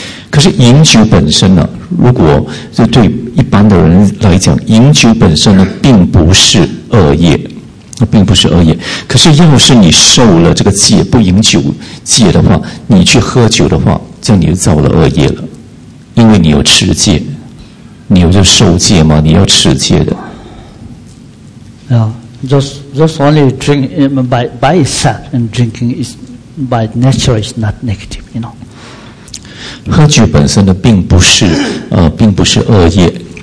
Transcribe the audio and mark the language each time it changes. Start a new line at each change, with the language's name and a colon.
Chinese: 可是饮酒本身呢，如果就对一般的人来讲，饮酒本身呢，并不是恶业，那并不是恶业。可是要是你受了这个戒，不饮酒戒的话，你去喝酒的话，这样你就造了恶业了，因为你有持戒，你有这受戒吗？你要持戒的。
English: Just only drinking by itself and drinking is by nature is not negative, you know.
Chinese: 喝酒本身的并不是并不是恶业。